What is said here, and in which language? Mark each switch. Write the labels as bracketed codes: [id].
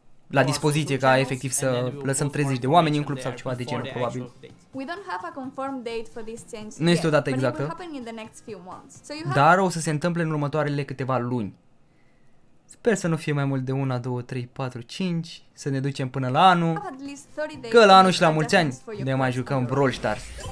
[ro] la dispoziție ca efectiv să lăsăm 30 de oameni în club sau ceva de genul, probabil. [en] We don't have a confirmed date for this change. [ro] Nu este o dată exactă. [en] But it will happen in the next few months. So you have... [ro] Dar o să se întâmple în următoarele câteva luni. Sper să nu fie mai mult de 1, 2, 3, 4, 5, să ne ducem până la anul. Că la anul și la mulți ani ne mai jucăm Brawl Stars.